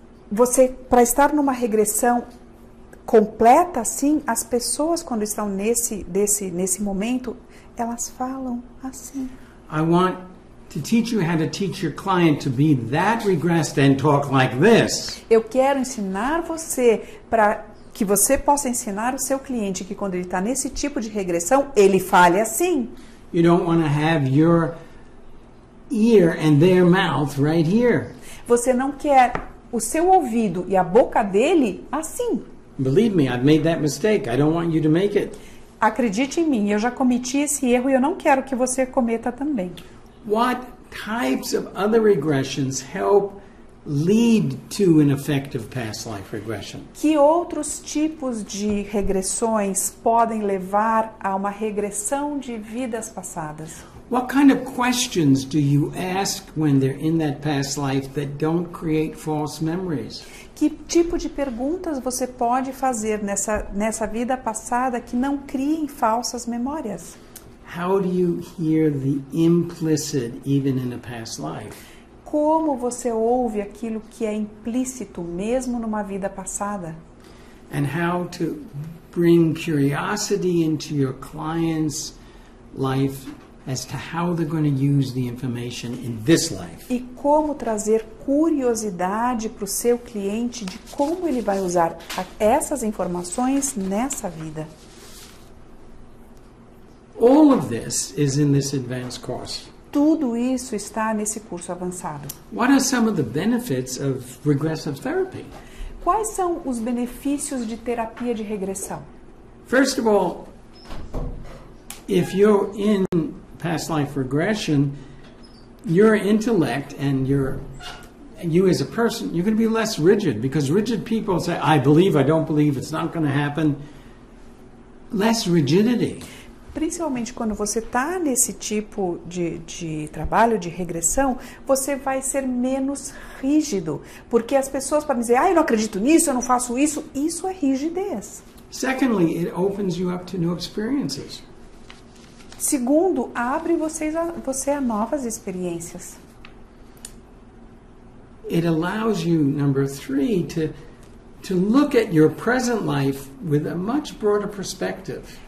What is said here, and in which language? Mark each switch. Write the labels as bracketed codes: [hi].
[pt] Você, para estar numa regressão completa, assim, as pessoas, quando estão nesse momento, elas falam assim. [en] I want to teach you how to teach your client to be that regressed and talk like this. [pt] Eu quero ensinar você para que você possa ensinar o seu cliente que quando ele está nesse tipo de regressão, ele fale assim. [en] You don't want to have your ear and their mouth right here. [pt] Você não quer o seu ouvido e a boca dele assim. [en] Believe me, I've made that mistake. I don't want you to make it. [pt] Acredite em mim, eu já cometi esse erro e eu não quero que você cometa também. [en] What types of other regressions help lead to an effective past life regression? [pt] Que outros tipos de regressões podem levar a uma regressão de vidas passadas? [en] What kind of questions do you ask when they're in that past life that don't create false memories? [pt] Que tipo de perguntas você pode fazer nessa vida passada que não criem falsas memórias? [en] How do you hear the implicit even in a past life? [pt] Como você ouve aquilo que é implícito mesmo numa vida passada? [en] And how to bring curiosity into your client's life as to how they're going to use the information in this life. [pt] E como trazer curiosidade para o seu cliente de como ele vai usar essas informações nessa vida. [en] All of this is in this advanced course. [pt] Tudo isso está nesse curso avançado. [en] What are some of the benefits of regressive therapy? [pt] Quais são os benefícios de terapia de regressão? [en] First of all, if you're in past life regression, your intellect and you as a person, you're going to be less rigid, because rigid people say, I believe, I don't believe, it's not going to happen. Less rigidity. [pt] Principalmente quando você está nesse tipo de trabalho, de regressão, você vai ser menos rígido. Porque as pessoas podem dizer, ah, eu não acredito nisso, eu não faço isso. Isso é rigidez. [en] Secondly, it opens you up to new experiences. [pt] Segundo, abre você a novas experiências. [en] It allows you, number three, to look at your present life with a much broader perspective.